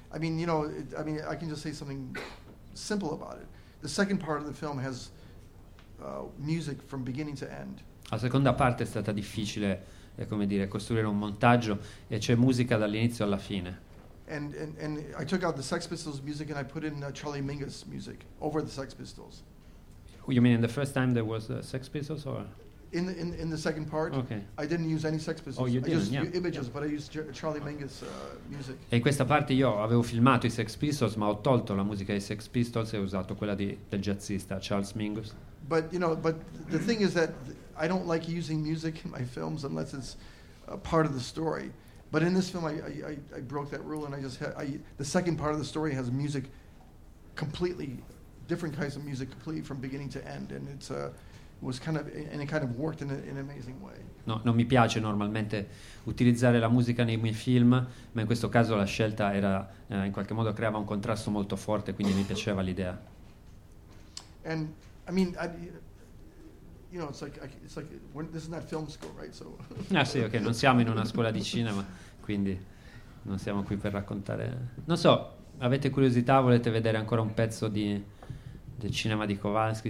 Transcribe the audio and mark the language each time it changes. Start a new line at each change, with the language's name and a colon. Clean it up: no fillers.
English: I can just say something simple about it. The second part of the film has music from beginning to end.
Italian: La seconda parte è stata difficile, come dire, costruire un montaggio e c'è musica dall'inizio alla fine.
English: And I took out the Sex Pistols music and I put in Charlie Mingus music over the Sex Pistols. You mean in the first time there was Sex Pistols or? In the second part. Okay. I didn't use any Sex Pistols. Oh, you I didn't, just yeah. Images, yeah. But I used Charlie Mingus music.
Italian: E in questa parte io avevo filmato i Sex Pistols, ma ho tolto la musica dei Sex Pistols e ho usato quella del jazzista Charles Mingus.
English: But you know, but the thing is that I don't like using music in my films unless it's a part of the story. But in this film I broke that rule and I the second part of the story has music completely different kinds of music completely from beginning to end and it's was kind of and it kind of worked in an amazing way.
Italian: No, non mi piace normalmente utilizzare la musica nei miei film, ma in questo caso la scelta era in qualche modo creava un contrasto molto forte, quindi mi piaceva l'idea.
English: And you know, it's like this is not film school, right? So.
Italian: Ah sì, ok. Non siamo in una scuola di cinema, quindi non siamo qui per raccontare. Non so. Avete curiosità? Volete vedere ancora un pezzo del cinema di Kowalski?